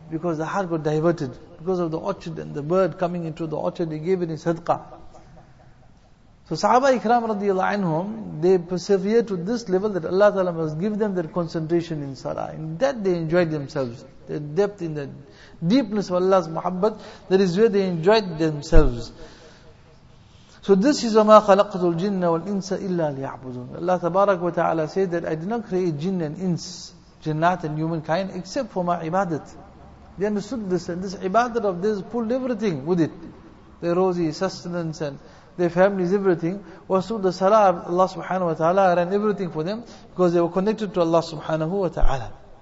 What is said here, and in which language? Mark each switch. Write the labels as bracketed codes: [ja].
[en] Because the heart got diverted. Because of the orchard and the bird coming into the orchard, he gave it in sadqah. So Sahaba Ikram radiallahu anhum, they persevered to this level that Allah Ta'ala must give them their concentration in salah. In that they enjoyed themselves. The depth in the deepness of Allah's muhabbat, that is where they enjoyed themselves. So this is [ar] وَمَا خَلَقْتُ الْجِنَّ وَالْإِنسَ إِلَّا لِيَعْبُدُونَ. [en] Allah Tabarak wa Ta'ala said that I did not create jinn and ins, jinnat and humankind, except for my ibadat. They understood this, and this ibadat of this pulled everything with it. The rosy sustenance and their families, everything, was through the salah of Allah subhanahu wa ta'ala, ran everything for them, because they were connected to Allah subhanahu wa ta'ala.